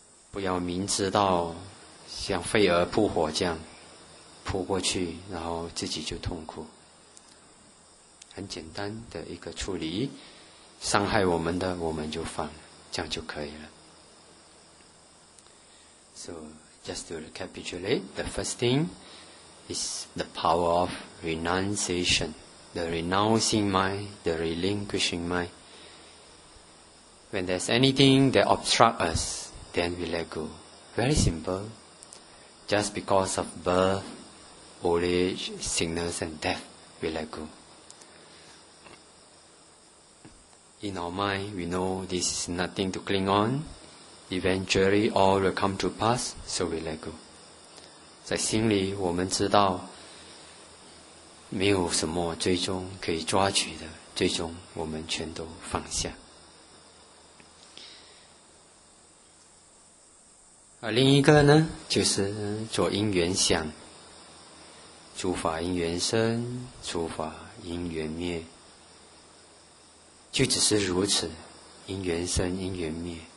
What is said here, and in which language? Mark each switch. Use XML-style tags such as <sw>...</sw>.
<zh>不要明知道像飞蛾扑火这样扑过去然后自己就痛苦，很简单的一个处理，伤害我们的我们就放，这样就可以了。</zh> <en>So just to recapitulate, the first thing is the power of renunciation, the renouncing mind, the relinquishing mind. When there's anything that obstructs us, then we let go. Very simple. Just because of birth, old age, sickness and death, we let go. In our mind, we know this is nothing to cling on. Eventually, all will come to pass, so we let go.</en> <zh>在心里，我们知道没有什么最终可以抓取的，最终我们全都放下。而另一个呢，就是做因缘想，诸法因缘生，诸法因缘灭，就只是如此，因缘生，因缘灭。</zh>